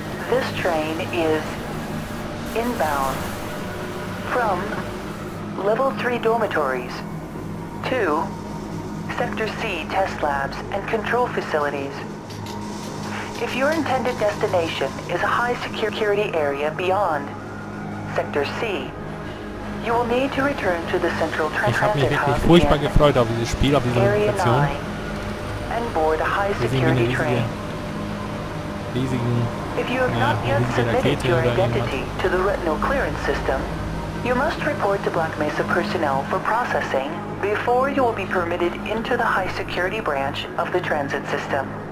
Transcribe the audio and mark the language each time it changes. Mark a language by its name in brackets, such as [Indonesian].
[English] This train is inbound from level 3 dormitories to Sector C test labs and control facilities. If your intended destination is a high security area beyond Sector C, you will need to return to the central transit. [German] Ich habe mich wirklich furchtbar gefreut auf dieses Spiel, auf diese Modifikation. Wir sehen hier eine riesige, riesigen, ja, riesige Rakete oder irgendwas. [English] You must report to Black Mesa personnel for processing before you will be permitted into the high security branch of the transit system.